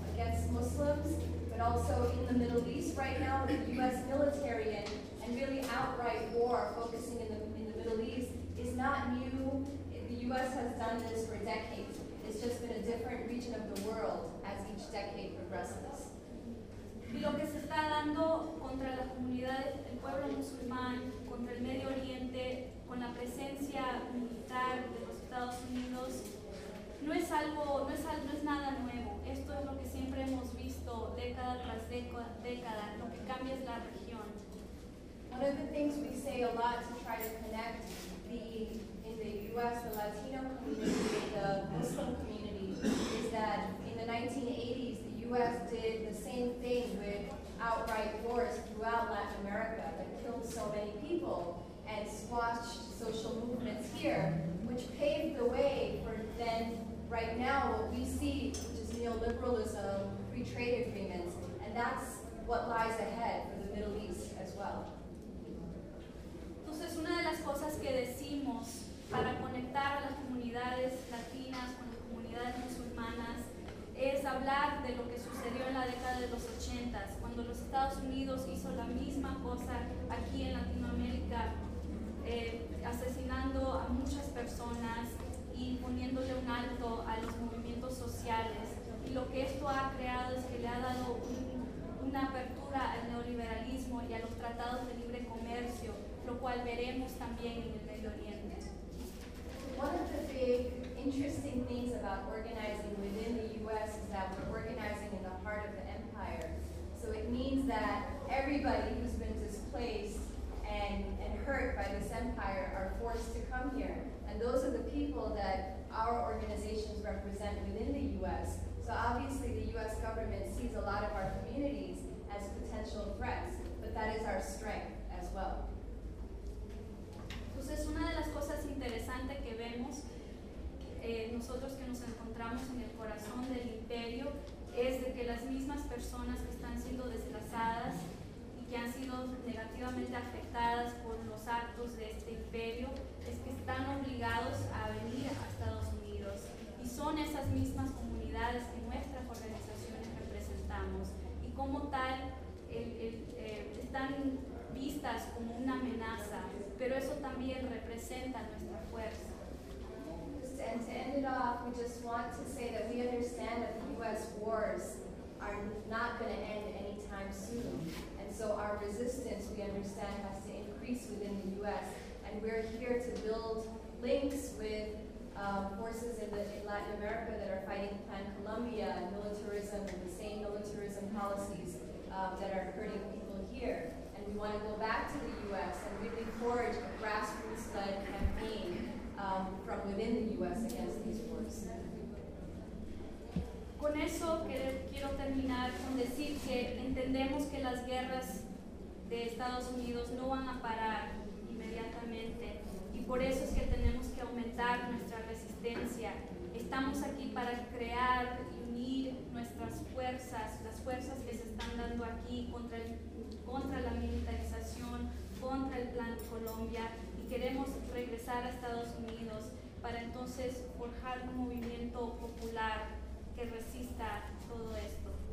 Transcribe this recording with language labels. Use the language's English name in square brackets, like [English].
[English] against Muslims, but also in the Middle East right now, with the U.S. military and really outright war focusing in the Middle East is not new. The U.S. has done this for decades. It's just been a different region of the world as each decade progresses. [Spanish] Y lo que se está dando contra las comunidades, el pueblo musulmán, contra el Medio Oriente, con la presencia militar de los Estados Unidos, no es nada nuevo. Esto es lo que siempre hemos visto década tras década. Lo que cambia es la región. [English] One of the things we say a lot to try to connect in the U.S., the Latino community, the Muslim community, is that in the 1980s, the U.S. did the same thing with outright wars throughout Latin America that killed so many people and squashed social movements here, which paved the way for then, right now, what we see, which is neoliberalism, free trade agreements, and that's what lies ahead for the Middle East as well. [Spanish] Entonces, una de las cosas que decimos para conectar a las comunidades latinas con las comunidades musulmanas es hablar de lo que sucedió en la década de los 80s, cuando los Estados Unidos hizo la misma cosa aquí en Latinoamérica, asesinando a muchas personas y poniéndole un alto a los movimientos sociales. Y lo que esto ha creado es que le ha dado una apertura al neoliberalismo y a los tratados de libre comercio, lo cual veremos también en el Medio Oriente. [English] One of the big interesting things about organizing within the U.S. is that we're organizing in the heart of the empire. So it means that everybody who's been displaced and hurt by this empire are forced to come here. And those are the people that our organizations represent within the U.S. So obviously the U.S. government sees a lot of our communities as potential threats, but that is our strength as well. [Spanish] Entonces, una de las cosas interesantes que vemos nosotros que nos encontramos en el corazón del imperio es de que las mismas personas que están siendo desplazadas y que han sido negativamente afectadas por los actos de este imperio es que están obligados a venir a Estados Unidos y son esas mismas comunidades que nuestras organizaciones representamos y como tal están vistas como una amenaza, pero eso también representa nuestra fuerza. [English] And to end it off, we just want to say that we understand that the U.S. wars are not going to end anytime soon. And so our resistance, we understand, has to increase within the U.S. And we're here to build links with forces in Latin America that are fighting Plan Colombia and militarism and the same militarism policies that are hurting people here. And we want to go back to the U.S. and really forge a grassroots-led campaign from within the U.S. against these wars. [Spanish] Con eso quiero terminar con decir que entendemos que las guerras de Estados Unidos no van a parar inmediatamente y por eso es que tenemos que aumentar nuestra resistencia. Estamos aquí para crear y unir nuestras fuerzas, las fuerzas que se están dando aquí contra la militarización, contra el Plan Colombia, y queremos regresar a Estados Unidos para entonces forjar un movimiento popular que resista todo esto.